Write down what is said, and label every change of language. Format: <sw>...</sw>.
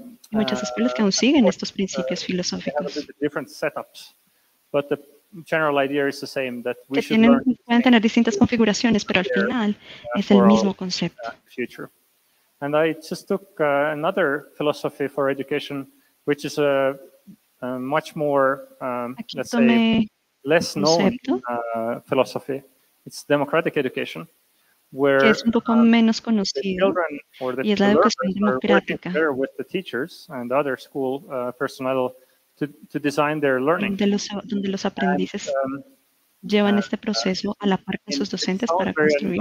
<es>muchas escuelas que aún siguen estos principios filosóficos.</es> <en>Different setups, but the general idea is the same that we should learn.</en> <es>Pueden tener distintas configuraciones, pero al final es el mismo concepto.</es> <en>Future. And I just took another philosophy for education, which is a much more let's say less known philosophy. It's democratic education. Where,</en> <es>que es un poco menos conocido y es la educación democrática donde los aprendices llevan este proceso a la par con sus docentes para construir</es>